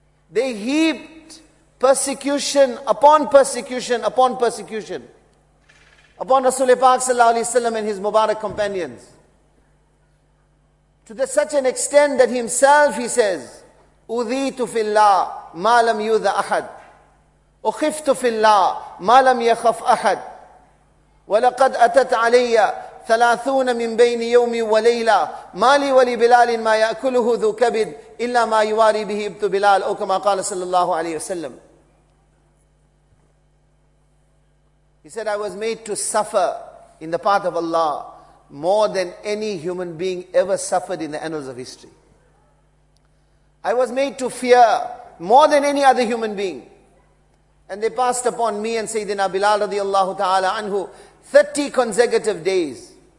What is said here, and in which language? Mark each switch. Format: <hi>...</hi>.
<en>They heaped persecution upon persecution upon persecution upon Rasulullah Pak Sallallahu Alaihi Wasallam and his Mubarak companions to such an extent that himself he says,</en> <ar>Udhitu fillah ma lam yudha ahad. أخفت في الله ما لم يخف أحد ولقد أتت علي ثلاثون من بين يوم وليلة ما لي ولبلال ما يأكله ذو كبد إلا ما يواري به ابن بلال أو كما قال صلى الله عليه وسلم.</ar> <en>He said, I was made to suffer in the path of Allah more than any human being ever suffered in the annals of history. I was made to fear more than any other human being. And they passed upon me and Sayyidina Bilal radiallahu ta'ala anhu 30 consecutive days.</en>